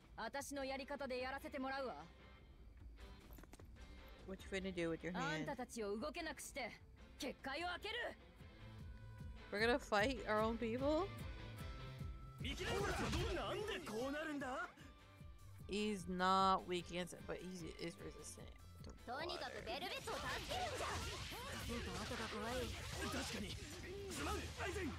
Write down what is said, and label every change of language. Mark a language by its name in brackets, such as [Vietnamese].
[Japanese] 私のやり方でやらせてもらうわ。 [English] What you finna do with your hand? [Japanese] あんたたちを動けなくして結界を開ける。 [English] We're gonna fight our own people? [Japanese] 見切れるか。どうなんでこうなるんだ。 [English] He's not weak against it, but he is resistant. [Japanese] とにかくベルベットを助けるんじゃ。ちょっと後が怖い。確かに。すまん、アイゼン。